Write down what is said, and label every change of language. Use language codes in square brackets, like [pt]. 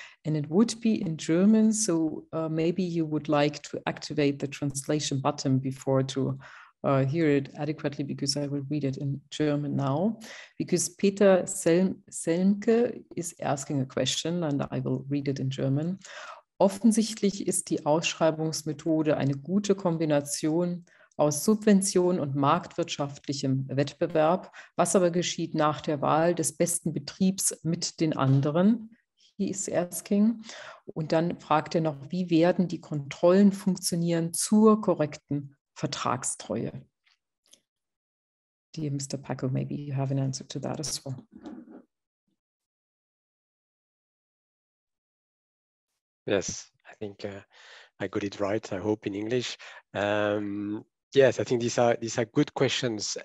[en] And it would be in German, so maybe you would like to activate the translation button before to hear it adequately, because I will read it in German now. Because Peter Selmke is asking a question, and I will read it in German. [de] Offensichtlich ist die Ausschreibungsmethode eine gute Kombination aus Subvention und marktwirtschaftlichem Wettbewerb. Was aber geschieht nach der Wahl des besten Betriebs mit den anderen? [en] He is asking. [de] Und dann fragt er noch, wie werden die Kontrollen funktionieren zur korrekten Vertragstreue? [en] Dear Mr. Paco, maybe you have an answer to that as well. Yes, I think I got it right, I hope, in English. Yes, I think these are good questions.